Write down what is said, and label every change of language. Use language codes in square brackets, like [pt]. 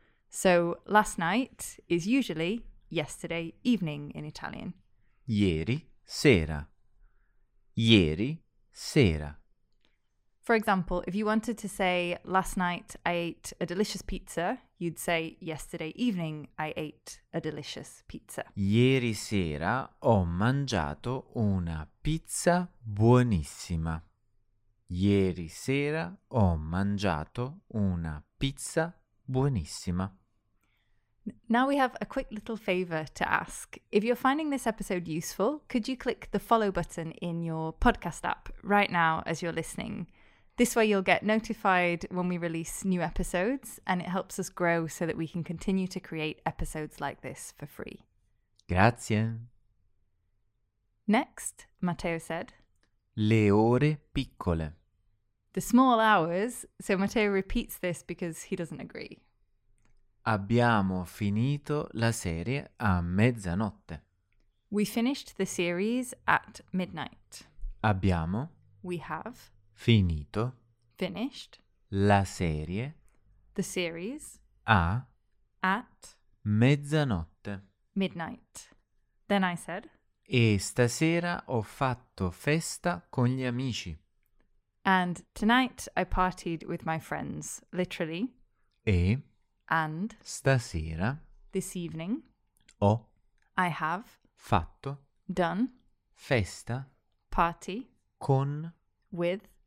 [en] So last night is usually yesterday evening in Italian. [it] Ieri sera. Ieri sera. [en] For example, if you wanted to say last night I ate a delicious pizza, you'd say yesterday evening I ate a delicious pizza. [it] Ieri sera ho mangiato una pizza buonissima. Ieri sera ho mangiato una pizza buonissima. [en] Now we have a quick little favour to ask. If you're finding this episode useful, could you click the follow button in your podcast app right now as you're listening? This way you'll get notified when we release new episodes and it helps us grow so that we can continue to create episodes like this for free. [it] Grazie. [en] Next, Matteo said. [it] Le ore piccole. [en] The small hours. So Matteo repeats this because he doesn't agree. [it] Abbiamo finito la serie a mezzanotte. [en] We finished the series at midnight. [it] Abbiamo. [en] We have. [it] Finito. [en] Finished. [it] La serie. [en] The series. [it] A. [en] At. [it] Mezzanotte. [en] Midnight. Then I said. [it] E stasera ho fatto festa con gli amici. [en] And tonight I partied with my friends, literally. [it] E. [en] And [it] stasera, [en] this evening, [it] ho, [en] I have, [it] fatto, [en] done, [it] festa, [en] party, [it] con, [en] with,